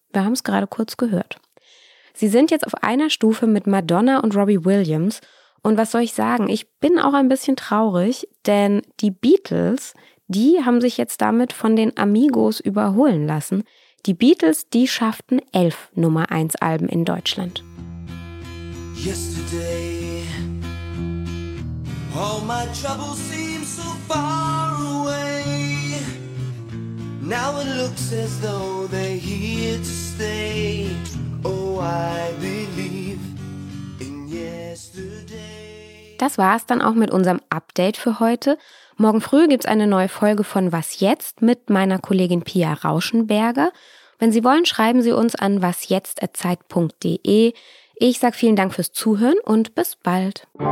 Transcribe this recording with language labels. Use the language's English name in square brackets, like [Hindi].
[German] Wir haben es gerade kurz gehört. Sie sind jetzt auf einer Stufe mit Madonna und Robbie Williams. Und was soll ich sagen? Ich bin auch ein bisschen traurig, denn die Beatles, die haben sich jetzt damit von den Amigos überholen lassen. Die Beatles, die schafften 11 Nummer-1-Alben in Deutschland. [English] Yesterday, all my troubles seem so far away. Now it looks as though they're here to stay. Oh, I believe in yesterday. [German] Das war es dann auch mit unserem Update für heute. Morgen früh gibt es eine neue Folge von Was Jetzt mit meiner Kollegin Pia Rauschenberger. Wenn Sie wollen, schreiben Sie uns an wasjetzt@zeit.de. Ich sage vielen Dank fürs Zuhören und bis bald.